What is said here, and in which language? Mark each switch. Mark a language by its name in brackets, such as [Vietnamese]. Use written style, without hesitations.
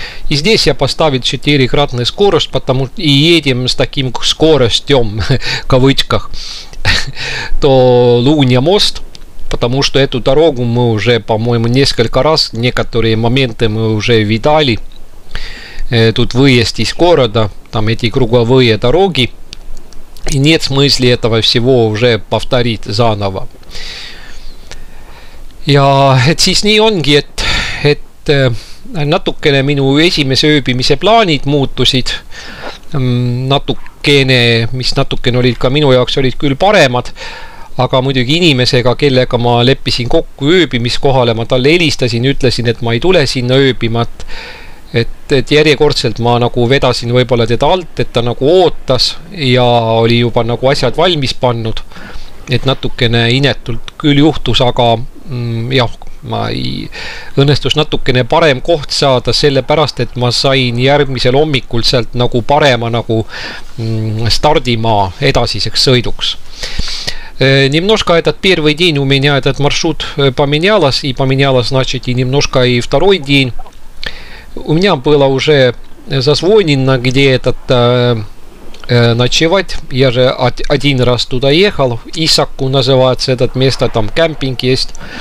[Russian] И здесь я поставил 4-кратный скорость, потому и едем с таким скоростем, в кавычках, то Луния мост, потому что эту дорогу мы уже, по-моему, несколько раз, некоторые моменты мы уже видали, тут выезд из города, там эти круговые дороги, и нет смысла этого всего уже повторить заново. [Estonian] Ja, et siis nii ongi, et natukene minu esimese ööbimise plaanid muutusid, natukene olid ka minu jaoks olid küll paremad, aga muidugi inimesega, kellega ma leppisin kokku ööbimiskohale, ma talle helistasin, ütlesin, et ma ei tule sinna ööbima, et järjekordselt ma nagu vedasin võibolla teda alt, et ta nagu ootas ja oli juba nagu asjad valmis pannud, et natukene inetult küll juhtus, aga õnnestus natukene parem koht saada sellepärast, et ma sain järgmisel hommikul sealt nagu parema nagu stardimaa edasiseks sõiduks. [Russian] Немножко этот первый день у меня этот маршрут поменялось, и поменялось, значит, и немножко и второй день. У меня было уже зазвонено, где этот ночевать. Я же один раз туда ехал. Исаку называется этот место, там кемпинг есть.